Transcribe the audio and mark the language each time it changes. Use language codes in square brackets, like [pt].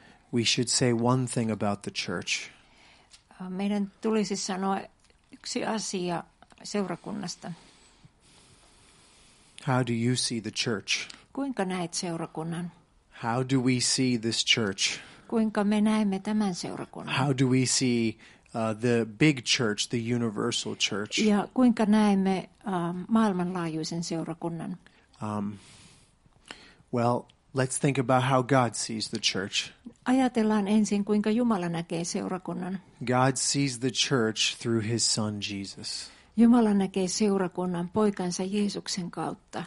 [en] We should say one thing about the church. [fi] Meidän tulisi sanoa yksi asia seurakunnasta. [en] How do you see the church? [fi] Kuinka näet seurakunnan? [en] How do we see this church? [fi] Kuinka me näemme tämän seurakunnan? [en] How do we see the big church, the universal church? [fi] Ja kuinka näemme maailmanlaajuisen seurakunnan? [en] Well, let's think about how God sees the church. [fi] Ajatellaan ensin, kuinka Jumala näkee seurakunnan. [en] God sees the church through his son Jesus. [fi] Jumala näkee seurakunnan poikansa Jeesuksen kautta.